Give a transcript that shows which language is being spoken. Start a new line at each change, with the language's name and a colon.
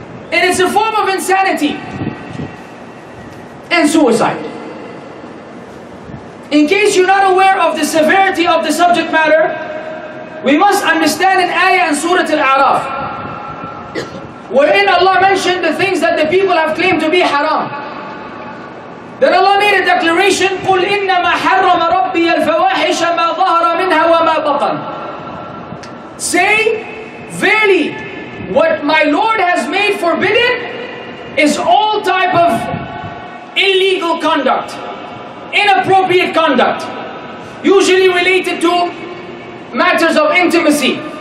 English: And it's a form of insanity and suicide. In case you're not aware of the severity of the subject matter, we must understand an ayah in Surah Al-A'raf, wherein Allah mentioned the things that the people have claimed to be haram. Then Allah made a declaration,
Arabic: قُلْ إِنَّمَا حَرَّمَ رَبِّيَ الْفَوَاحِشَ مَا ظَهَرَ مِنْهَا وَمَا بَقَنَ.
English: Say, verily, what my Lord has made forbidden is all type of illegal conduct, inappropriate conduct, usually related to matters of intimacy.